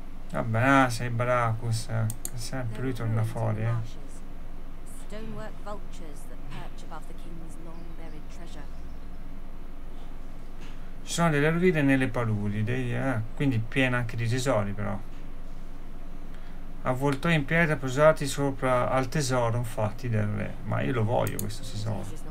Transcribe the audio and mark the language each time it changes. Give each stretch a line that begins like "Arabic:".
Italian: Vabbè, ah, sei Bracus, che sempre lui torna fuori, eh.
English: Stonework vultures that perch above the king's long buried treasure.
Italian: Ci sono delle rovine nelle paludi, quindi piena anche di tesori, però. Avvoltò in pietra posati sopra al tesoro infatti del re. Ma io lo voglio questo tesoro.